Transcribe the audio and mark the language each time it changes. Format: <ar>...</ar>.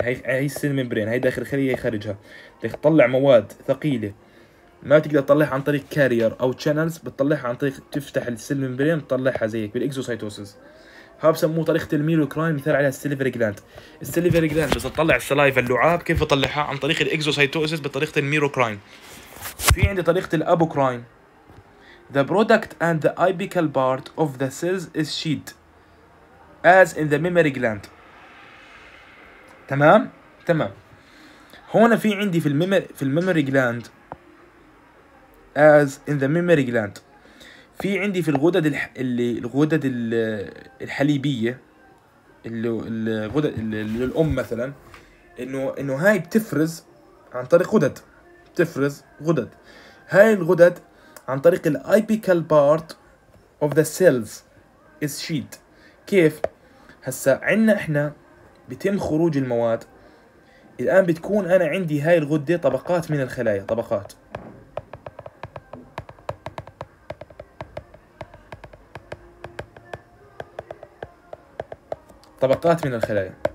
<ar>هي السيل ميمبرين، هي داخل الخليه، هي خارجها، بدك تطلع مواد ثقيله ما تقدر تطلعها عن طريق كارير او شانلز، بتطلعها عن طريق تفتح السيل ميمبرين بتطلعها زيك بالاكزوسايتوسيس. ها بسموه طريقه الميروكراين، مثال عليها السيليفري جلاند. السيليفري جلاند بس تطلع السلايفا اللعاب، كيف بطلعها عن طريق الاكزوسايتوسيس بطريقه الميروكراين. في عندي طريقه الابوكراين.</ar> <en>The product and the apical part of the cells is sheathed as in the mammary gland.</en> <ar>تمام تمام، هون في عندي في الميموري جلاند،</ar> <en>as in the mammary gland،</en> <ar>في عندي في الغدد اللي الغدد الحليبيه اللي الغدد الام مثلا، انه هاي بتفرز عن طريق غدد، بتفرز غدد. هاي الغدد عن طريق الـ</ar> <en>apical part of the cells is sheathed.</en> <ar>كيف؟ هسا عنا احنا بتم خروج المواد. الان بتكون انا عندي هاي الغدة طبقات من الخلايا، طبقات طبقات من الخلايا.</ar>